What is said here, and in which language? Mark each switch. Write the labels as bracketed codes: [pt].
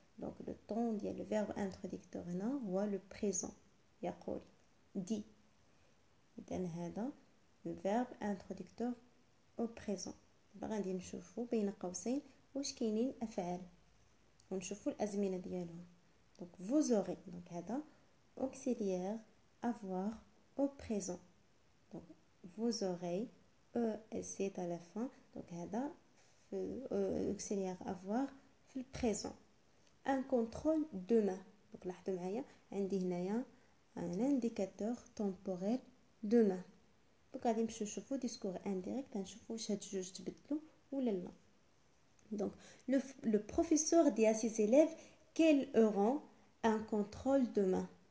[ar] دونك لو طون ديال الفيرب انتروديكتور هنا هو لو بريزون، يقول دي. اذا هذا الفيرب انتروديكتور او بريزون. دابا غادي نشوفو بين قوسين واش كاينين افعال، ونشوفوا الازمنه ديالهم. [fr] دونك vous aurez، دونك هذا auxiliaire avoir au présent. دونك vous aurez es est à la fin. [ar] دونك هذا [fr] auxiliaire avoir [ar] في البريزون. [fr] un contrôle demain. [ar] دونك لاحظوا معايا عندي هنايا ان انديكاتور تمبوريل demain. دونك غادي نمشيو نشوفوا ديسكور انديريكت، نشوفوا واش هاد جوج تبدلوا ولا لا. [fr] Donc, le professeur dit à ses élèves qu'ils auront un contrôle demain.